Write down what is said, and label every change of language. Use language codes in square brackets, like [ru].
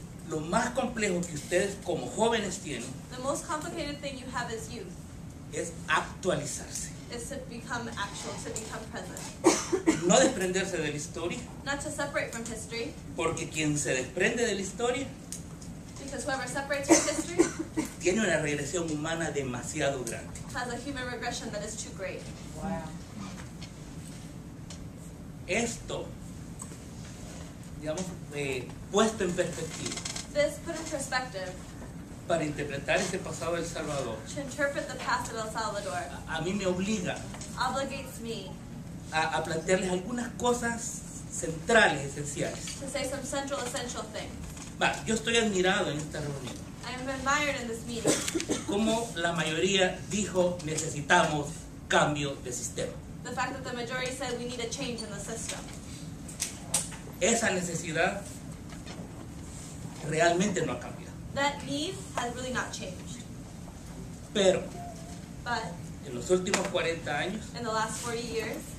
[es] Lo más complejo que ustedes como jóvenes tienen. [en] The most complicated thing you have as youth. [es] Es actualizarse. [en] Is to become actual, to become present. [es] No desprenderse de la historia. [en] Not to separate from history. [es] Porque quien se desprende de la historia. [en] Because whoever separates from history. [es] Tiene una regresión humana demasiado grande. [en] Has a human regression that is too great. Wow. [es] Esto. Digamos, puesto en perspectiva. [en] This put in perspective. [es] Para interpretar ese pasado de El Salvador. [en] To interpret the past of El Salvador. [es] A mí me obliga. [en] Obligates me. [es] A plantearles algunas cosas centrales, esenciales. [en] To say some central, essential things. [es] Va, yo estoy admirado en esta reunión. [en] I am admired in this meeting. [es] Como la mayoría dijo, necesitamos cambio de sistema. [en] The fact that the majority said we need a change in the system. [es] Esa necesidad realmente no ha cambiado. [en] That need has really not changed. [es] Pero, [en] but, [es] en los últimos 40 años, [en] in the last 40 years,